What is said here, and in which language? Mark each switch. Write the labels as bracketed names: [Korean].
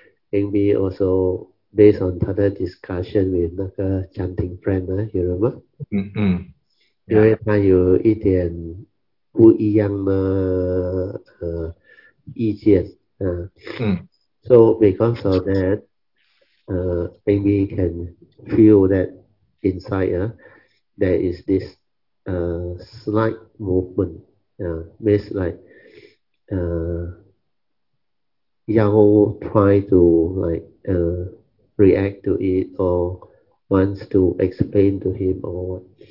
[English] NB also based on Tata discussion with [Chinese] 那个 [English] chanting friend, you remember? Mm-hmm. Yeah. [Chinese] 因为他有一点不一样的意见。 [English] So because of that, maybe you can feel that inside, there is this slight movement. Means like, Yao try to like, react to it or wants to explain to him or what.